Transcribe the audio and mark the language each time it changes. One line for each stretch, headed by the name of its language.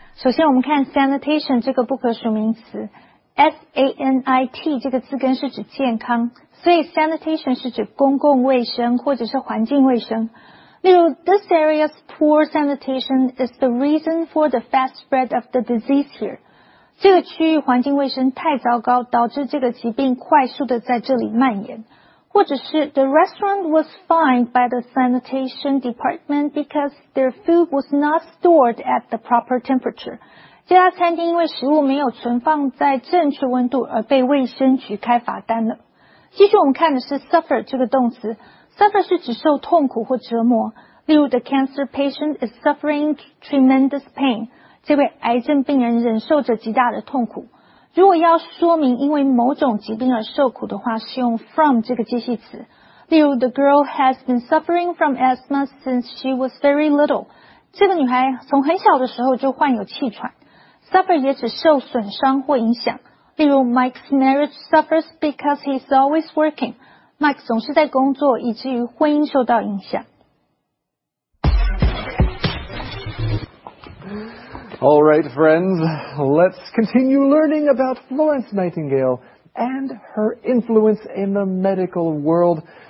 Chinese: 首先我们看 sanitation 这个不可数名词 ,sanit 这个字根是指健康，所以 sanitation 是指公共卫生或者是环境卫生。例如
English: ,this area's poor sanitation is the reason for the fast spread of the disease here.
Chinese: 这个区域环境卫生太糟糕，导致这个疾病快速的在这里蔓延。或者是
English: ,the restaurant was fined by the sanitation department because their food was not stored at the proper temperature.
Chinese: 这家餐厅因为食物没有存放在正确温度而被卫生局开罚单了。继续我们看的是 suffer 这个动词。suffer 是指受痛苦或折磨。例如
English: ,the cancer patient is suffering tremendous pain.
Chinese: 这位癌症病人忍受着极大的痛苦。如果要说明因为某种疾病而受苦的话，是用 from 这个介系词。例如
English: ,the girl has been suffering from asthma since she was very little.
Chinese: 这个女孩从很小的时候就患有气喘。 suffer 也指受损伤或影响。例如
English: ,Mike's marriage suffers because he's always working.
Chinese: Mike 总是在工作以至于婚姻受到影响。
English: All right, friends, let's continue learning about Florence Nightingale and her influence in the medical world.